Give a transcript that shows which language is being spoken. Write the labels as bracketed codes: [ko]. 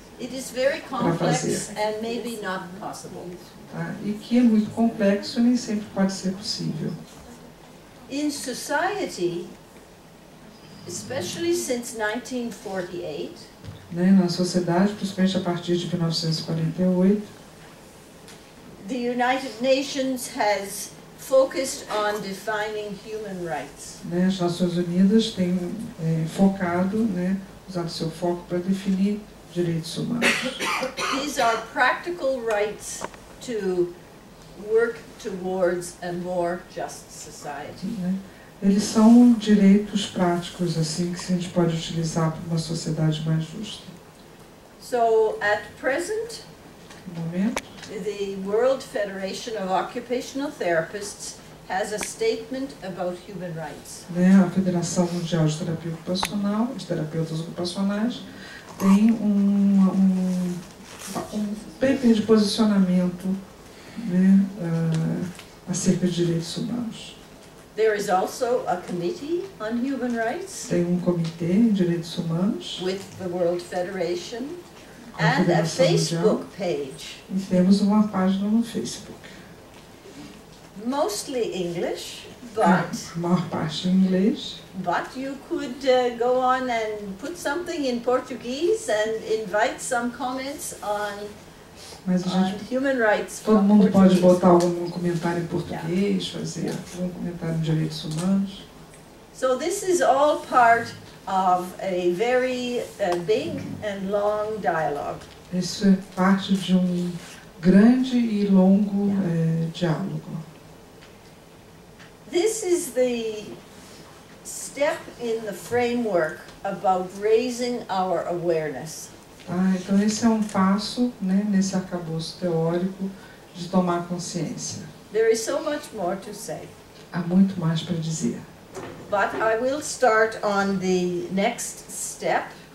[en] It is very complex and maybe not possible. [pt] E que é muito complexo e nem sempre pode ser possível. [en] In society, especially since 1948, [pt] na sociedade, principalmente a partir de 1948, [en] the United Nations has focused on defining human rights. [pt] Né, as Nações Unidas têm focado, né, usado seu foco para definir direitos humanos. [en] These are practical rights to work towards a more just society. [pt] Né? Eles são direitos práticos, assim, que a gente pode utilizar para uma sociedade mais justa. [en] So, at present, the World Federation of Occupational Therapists has a statement about human rights. [pt] Né, a Federação Mundial de Terapia Ocupacional, de Terapeutas Ocupacionais, tem um paper de posicionamento, né, acerca de direitos humanos. [en] There is also a committee on human rights. [pt] Tem um comitê em direitos humanos. [en] With the World Federation. And a Facebook page. [pt] E temos uma página no Facebook. [en] Mostly English, but. [pt] A maior parte em inglês. [en] But you could go on and put something in Portuguese and invite some comments on. [pt] Mas a gente, [en] human rights, [pt] todo mundo pode botar algum comentário em português, fazer algum comentário de direitos humanos. [en] So this is all part of a very big and long dialogue. [pt] Isso é parte de um grande e longo diálogo. [en] This is the step in the framework about raising our awareness. [pt] Então esse é um passo, né, nesse arcabouço teórico de tomar consciência. [en] There is so much more to say. [pt] Há muito mais para dizer. [en] But I will start on the next step.